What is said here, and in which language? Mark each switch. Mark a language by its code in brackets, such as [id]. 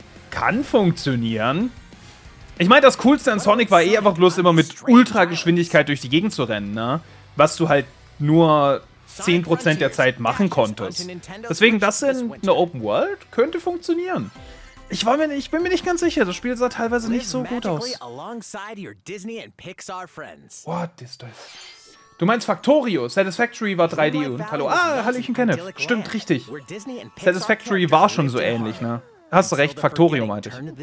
[de] Kann funktionieren. Ich meine, das Coolste an Sonic war eh einfach bloß immer mit Ultra-Geschwindigkeit durch die Gegend zu rennen, ne? Was du halt nur 10% der Zeit machen konntest. Deswegen, das in einer Open World könnte funktionieren. Ich bin mir nicht ganz sicher. Das Spiel sah teilweise nicht so gut aus. [en] Alongside your Disney and Pixar friends. What is this? [de] Du meinst Factorio. Satisfactory war 3D und hallo. Ah, Hallöchen, Kenneth. Stimmt, richtig. Satisfactory war schon so ähnlich, ne? Hast du recht, Factorio meinte ich.